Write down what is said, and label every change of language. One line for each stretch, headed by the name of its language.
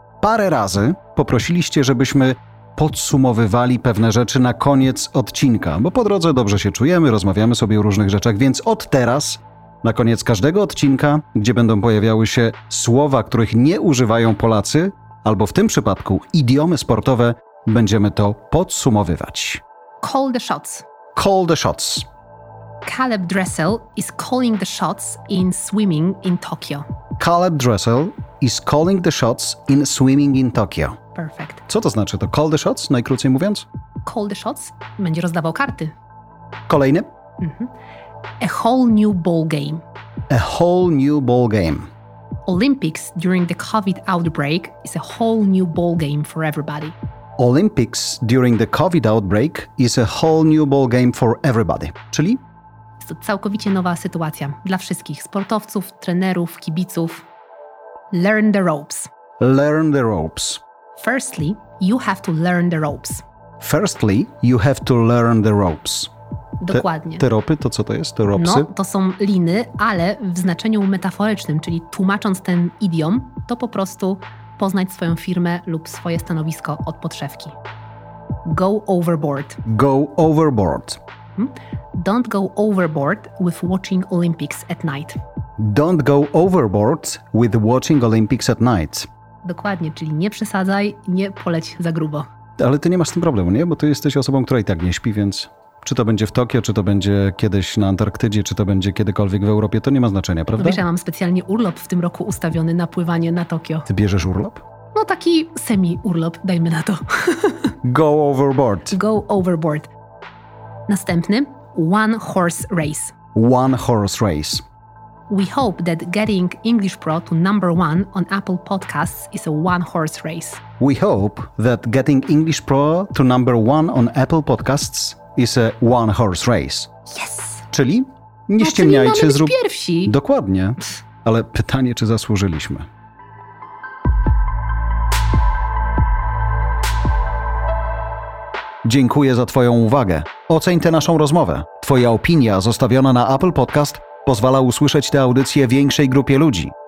Polish: Parę razy poprosiliście, żebyśmy podsumowywali pewne rzeczy na koniec odcinka, bo po drodze dobrze się czujemy, rozmawiamy sobie o różnych rzeczach, więc od teraz, na koniec każdego odcinka, gdzie będą pojawiały się słowa, których nie używają Polacy, albo w tym przypadku idiomy sportowe, będziemy to podsumowywać.
English: Call the shots. Call the shots. Caleb Dressel is calling the shots in swimming in Tokyo. Caleb Dressel is calling the shots in swimming in Tokyo. Perfect.
Polish: Co to znaczy?
English: To call the shots,
Polish: najkrócej mówiąc?
English: Call the shots,
Polish: będzie rozdawał karty. Kolejny?
English: A whole new ball game. A whole new ball game. Olympics during the COVID outbreak is a whole new ball game for everybody. Olympics during the COVID outbreak is a whole new ball game for everybody.
Polish: Czyli? To całkowicie nowa sytuacja dla wszystkich sportowców, trenerów, kibiców.
English: Learn the ropes. Learn the ropes. Firstly, you have to learn the ropes. Firstly, you have to learn the ropes.
Polish: Dokładnie. Te ropy, to co to jest? Te ropsy? No, to są liny, ale w znaczeniu metaforycznym, czyli tłumacząc ten idiom, to po prostu poznać swoją firmę lub swoje stanowisko od podszewki.
English: Go overboard. Go overboard. Don't go overboard with watching Olympics at night. Don't go overboard with watching Olympics at night.
Polish: Dokładnie, czyli nie przesadzaj, nie poleć za grubo. Ale ty nie masz z tym problemu, nie? Bo ty jesteś osobą, która i tak nie śpi, więc czy to będzie w Tokio, czy to będzie kiedyś na Antarktydzie, czy to będzie kiedykolwiek w Europie, to nie ma znaczenia, prawda? No wiesz, ja mam specjalnie urlop w tym roku ustawiony na pływanie na Tokio. Ty bierzesz urlop? No taki semi-urlop, dajmy na to.
English: Go overboard. Go overboard. Następny, one horse race. One horse race. We hope that getting English Pro to number one on Apple Podcasts is a one horse race. We hope that getting English Pro to number one on Apple Podcasts is a one horse race. Yes!
Polish: Czyli nie ściemniajcie, zrób... Mamy być pierwsi. Dokładnie. Ale pytanie, czy zasłużyliśmy. Dziękuję za twoją uwagę. Oceń tę naszą rozmowę. Twoja opinia zostawiona na Apple Podcast pozwala usłyszeć tę audycję większej grupie ludzi.